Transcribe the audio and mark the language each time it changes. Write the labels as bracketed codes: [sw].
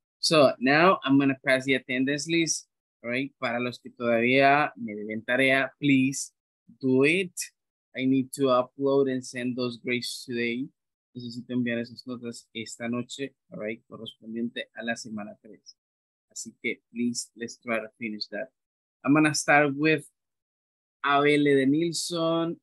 [en] So now I'm going to pass the attendance list. Right? [es] Para los que todavía me deben tarea, [en] please do it. I need to upload and send those grades today. [es] Necesito enviar esas notas esta noche, [en] all right, [es] correspondiente a la semana 3. Así que, [en] please, let's try to finish that. I'm going to start with Abel de Nilsson.